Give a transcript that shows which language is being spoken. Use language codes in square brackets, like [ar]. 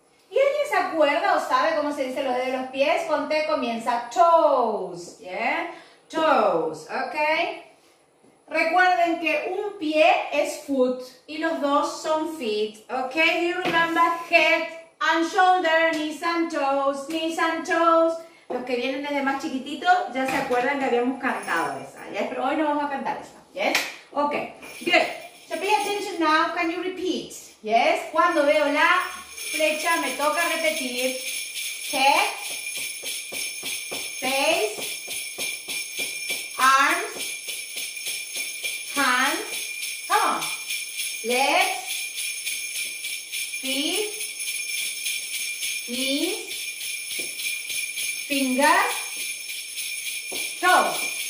[es] ¿Y alguien se acuerda o sabe cómo se dice los dedos de los pies? Con T comienza toes, ¿yeah? Toes, ¿ok? Recuerden que un pie es foot y los dos son feet, ¿ok? [en] Do you remember head and shoulder, knees and toes, knees and toes? [es] Los que vienen desde más chiquititos ya se acuerdan que habíamos cantado esa, ¿ya? Pero hoy no vamos a cantar esa, ¿yes? [en] Ok, good. So pay attention now, can you repeat? ¿Yes? [es] Cuando veo la flecha, me toca repetir. [en] Head, face, arms, hands, come on, legs, feet, knees, fingers, toes.